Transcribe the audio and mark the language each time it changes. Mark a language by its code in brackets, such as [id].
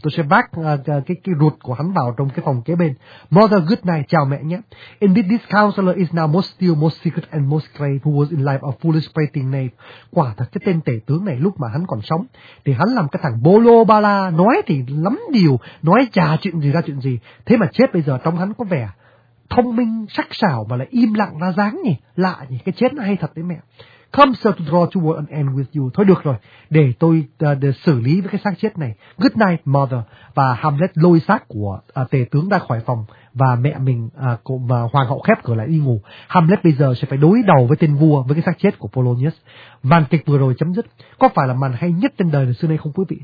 [vi] Tôi sẽ vác cái ruột của hắn vào trong cái phòng kế bên. [en] Mother good night, [vi] chào mẹ nhé. [en] Indeed, this counselor is now most still, most secret and most grave, who was in life a foolish prating knave. [vi] Quả thật cái tên tể tướng này lúc mà hắn còn sống thì hắn làm cái thằng bolo bala, nói thì lắm điều, nói chả chuyện gì ra chuyện gì. Thế mà chết bây giờ trong hắn có vẻ thông minh, sắc sảo mà lại im lặng ra dáng nhỉ, lạ nhỉ, cái chết nó hay thật đấy mẹ. [en] Come sir to draw toward an end with you. [vi] Thôi được rồi, để tôi để xử lý với cái xác chết này. [en] Good night, mother. [vi] Và Hamlet lôi xác của tể tướng ra khỏi phòng và mẹ mình và hoàng hậu khép cửa lại đi ngủ. Hamlet bây giờ sẽ phải đối đầu với tên vua với cái xác chết của Polonius. Màn kịch vừa rồi chấm dứt. Có phải là màn hay nhất trên đời này xưa nay không quý vị?